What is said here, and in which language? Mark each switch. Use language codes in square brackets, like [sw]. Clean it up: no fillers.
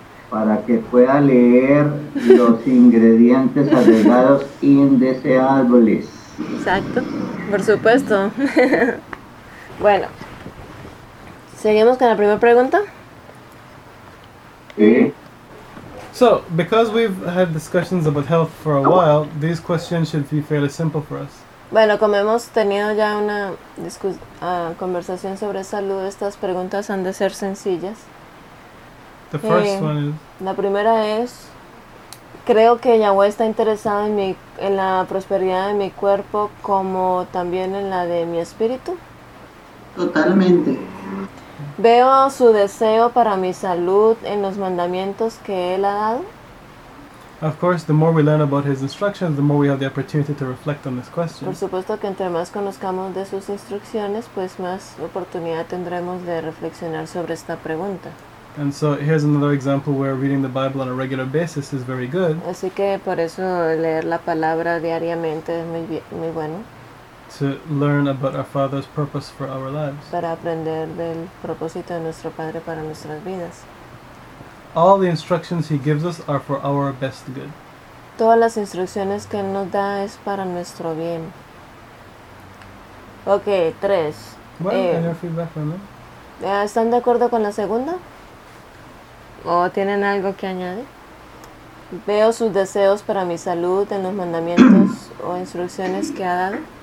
[es] Para que pueda leer los ingredientes agregados indeseables. Exacto, por supuesto. Bueno, ¿seguimos con la primera pregunta? Sí. [en] So, because we've had discussions about health for a while, these questions should be fairly simple for us. [es] Bueno, como hemos tenido ya una conversación sobre salud, estas preguntas han de ser sencillas. [en] The first one is... [es] La primera es, Creo que Yahweh está interesado en la prosperidad de mi cuerpo como también en la de mi espíritu. Totalmente. Veo su deseo para mi salud en los mandamientos que él ha dado. [en] Of course, the more we learn about his instructions, the more we have the opportunity to reflect on this question. [es] Por supuesto que entre más conozcamos de sus instrucciones, pues más oportunidad tendremos de reflexionar sobre esta pregunta. [en] And so here's another example where reading the Bible on a regular basis is very good. [es] Así que por eso leer la palabra diariamente es muy muy bueno. [en] To learn about our Father's purpose for our lives. [es] Para aprender del propósito de nuestro Padre para nuestras vidas. [en] All the instructions he gives us are for our best good. [es] Todas las instrucciones que él nos da es para nuestro bien. Okay, tres. Bueno, [en] any feedback on that? [es] ¿Están de acuerdo con la segunda? ¿O tienen algo que añadir? Veo sus deseos para mi salud en los mandamientos o instrucciones que ha dado.